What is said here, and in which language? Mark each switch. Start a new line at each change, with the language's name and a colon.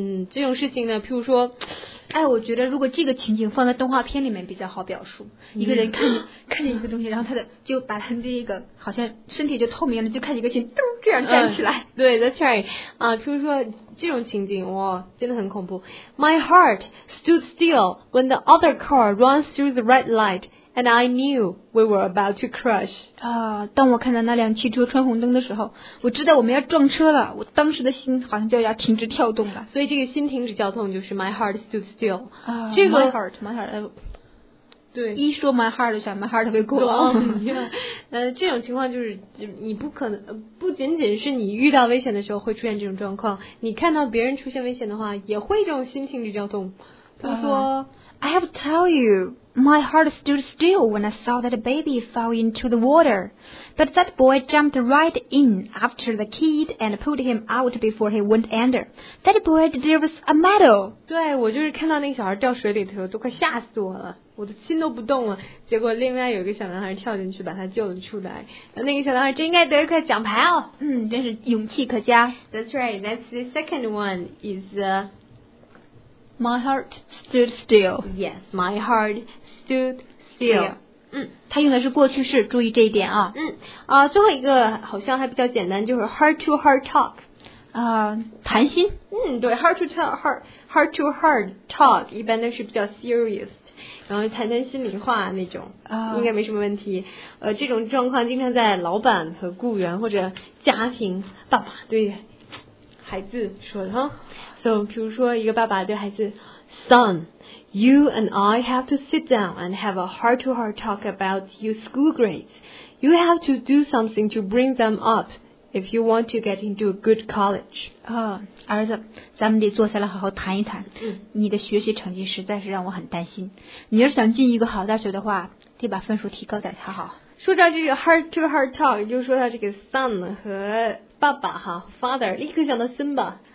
Chinese: 这种事情呢，譬如说，我觉得如果这个情景放在动画片里面比较好表述，一个人看见一个东西，然后他的就把他这个好像身体就透明了，就看见一个人噔这样站起来。
English: 对 ，that's right。
Chinese: 譬如说这种情景，哇，真的很恐怖。
English: My heart stood still when the other car runs through the red light, and I knew we were about to crash.
Chinese: 当我看到那辆汽车穿红灯的时候，我知道我们要撞车了。我当时的心好像就要停止跳动了。所以这个心停止跳动就是
English: my heart stood still。
Chinese: 这个 my heart。对，一说 my heart 就想 my heart 特别过了。这种情况就是你不可能，不仅仅是你遇到危险的时候会出现这种状况，你看到别人出现危险的话也会这种心情就叫动。他说
English: I have to tell you, my heart stood still when I saw that a baby fell into the water, but that boy jumped right in after the kid and put him out before he went under. That boy deserves a medal.
Chinese: 对，我就是看到那个小孩掉水里的时候都快吓死我了，我的心都不动了，结果另外有一个小男孩跳进去把他救了出来，那个小男孩真应该得一块奖牌哦。真是勇气可嘉。
English: That's right, that's the second one is my heart stood still. Yes, my heart stood still.
Chinese: 他用的是过去式，注意这一点啊。最后一个好像还比较简单，就是
English: heart to heart talk。
Chinese: 谈心。对 ，
English: heart to heart talk
Chinese: 一般都是比较 serious， 然后谈谈心里话那种，应该没什么问题。这种状况经常在老板和雇员或者家庭爸爸对孩子说的哈。
English: So,
Chinese: 比如说一个爸爸对孩子
English: ，Son, you and I have to sit down and have a heart to heart talk about your school grades. You have to do something to bring them up. If you want to get into a good college.
Chinese: 儿子，咱们得坐下来好好谈一谈。你的学习成绩实在是让我很担心。你要是想进一个好大学的话，得把分数提高再才好。说到这个
English: heart to heart talk，
Chinese: 就说到这个 son 和爸爸哈 ，father， 立刻想到 Simba。